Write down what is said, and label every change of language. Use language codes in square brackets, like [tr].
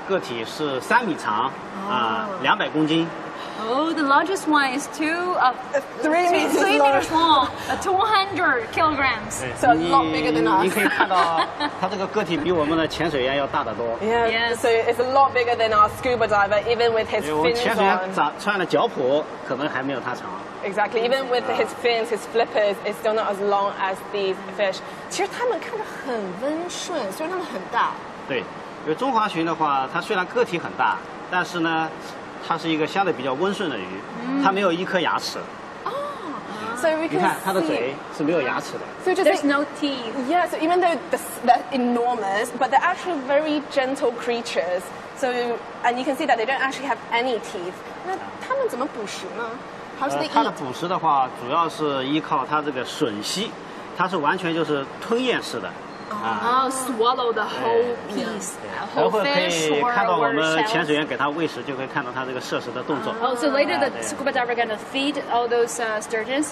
[zh] 这五尾大的都是21岁。对对。那它们现在大概有多长呢？是两米到三米？最大的个体是3米长，200公斤。 [en] The largest one is three meters long, 200 kilograms. So a lot bigger than us. [zh] 你可以看到，它这个个体比我们的潜水员要大得多。 [en] So it's a lot bigger than our scuba diver, even with his fins. [zh] 潜水员穿的脚蹼可能还没有它长。 [en] Exactly. Even with his fins, his flippers, it's still not as long as these fish. [zh] 其实它们看着很温顺，虽然它们很大。对，因为中华鲟的话，它虽然个体很大，但是呢。它是一个相对比较温顺的鱼，它没有一颗牙齿。 [en] So we can see. [zh] 你看它的嘴是没有牙齿的。So [en] there's no teeth. Yeah, so even though they're enormous, but they're actually very gentle creatures. So, and you can see that they don't actually have any teeth. [zh] 那它们怎么捕食呢？ [en] How's they eat? [zh] 它的捕食的话，主要是依靠它这个吮吸，它是完全就是吞咽式的。 [en] Swallow the whole piece, the whole fish, or whatever. [zh] 然后可以看到我们潜水员给它喂食，就可以看到它这个摄食的动作。 [en] So later the scuba diver gonna feed all those sturgeons.